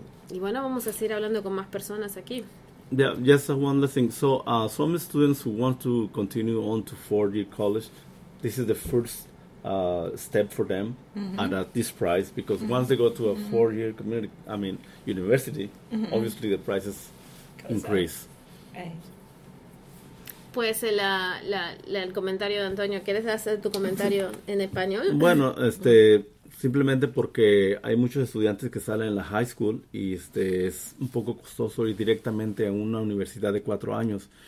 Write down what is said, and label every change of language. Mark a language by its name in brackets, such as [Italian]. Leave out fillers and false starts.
[Spanish] Y bueno, vamos a seguir hablando con más personas aquí. [English] Yeah, just one last thing. So, some students who want to continue on to four-year college, this is the first step for them and at this price, because once they go to a four-year community, I mean, university, obviously the prices increase. [Spanish] Pues el comentario de Antonio, ¿quieres hacer tu comentario en español? Bueno, simplemente porque hay muchos estudiantes que salen en la high school y es un poco costoso ir directamente a una universidad de 4 años.